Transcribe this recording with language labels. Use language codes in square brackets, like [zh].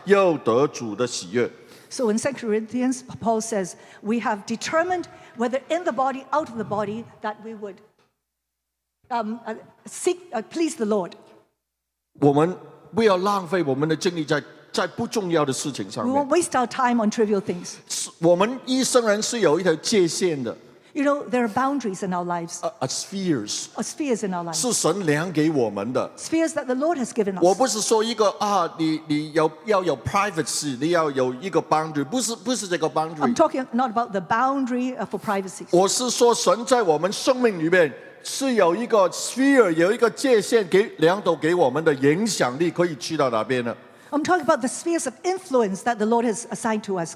[zh] 保罗在哥伦多后书说，所以无论住在身内，离开身外，我们都立了志向，又得主的喜悦。So [en] in 2 Corinthians, Paul says, we have determined whether in the body, out of the body, that we would please the Lord. [zh] 我们不要浪费我们的精力在不重要的事情上面。 [en] We won't waste our time on trivial things. [zh] 我们一生人是有一条界限的。You [en] know, there are boundaries in our lives. Spheres. Spheres in our lives. [zh] 是神量给我们的。Spheres [en] that the Lord has given us. [zh] 我不是说一个你要有 privacy, 你要有一个 boundary, 不是这个 boundary. [en] I'm talking not about the boundary for privacy. [zh] 我是说神在我们生命里面 是有一个 sphere， 有一个界限给量度给我们的影响力，可以去到哪边呢？ [en] I'm talking about the spheres of influence that the Lord has assigned to us.